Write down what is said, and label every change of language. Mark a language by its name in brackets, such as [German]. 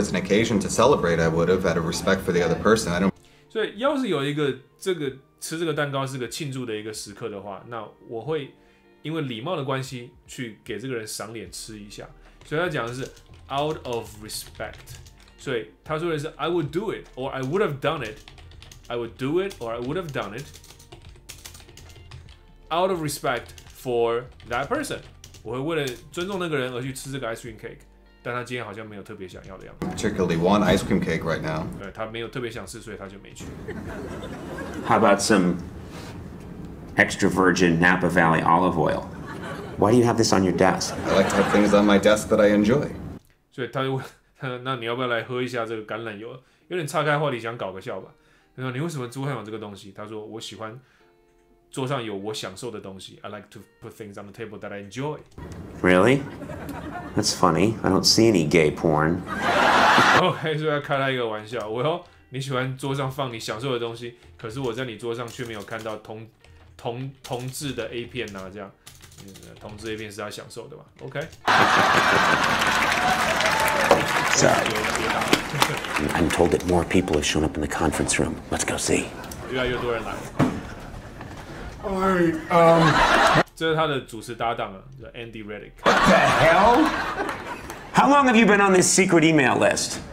[English] There was an occasion to celebrate, I would have out of respect for the other person. I don't. [Chinese] 所以要是有一个这个吃这个蛋糕是个庆祝的一个时刻的话，那我会因为礼貌的关系去给这个人赏脸吃一下。所以他讲的是 out of respect。所以他说的是 [English] I would do it or I would have done it。 I would do it, or I would have done it, out of respect for that person. [Chinese] 我会为了尊重那个人而去吃这个 ice cream cake, 但他今天好像没有特别想要的样子。 [English] Particularly want ice cream cake right now. [Chinese] 对，他没有特别想吃，所以他就没去。 [English] How about some extra virgin Napa Valley olive oil? Why do you have this on your desk? I like to have things on my desk that I enjoy. [Chinese] 所以他就问，那你要不要来喝一下这个橄榄油？有点岔开话题，想搞个笑吧。他说：“你为什么会有这个东西？” 他说：“我喜欢桌上有我享受的东西。 [English] I like to put things on the table that I enjoy. Really? That's funny. I don't see any gay porn. [Chinese] OK， 所以要开他一个玩笑。Well， 你喜欢桌上放你享受的东西，可是我在你桌上却没有看到同志的 A 片啊，这样，同志 A 片是他享受的嘛 ？OK。 [English] Sorry. I'm told that more people have shown up in the conference room. Let's go see. [Chinese] 越来越多人来。 [English] Hi, [Chinese] 这是他的主持搭档啊，叫 Andy Reddick. [English] What the hell? How long have you been on this secret email list?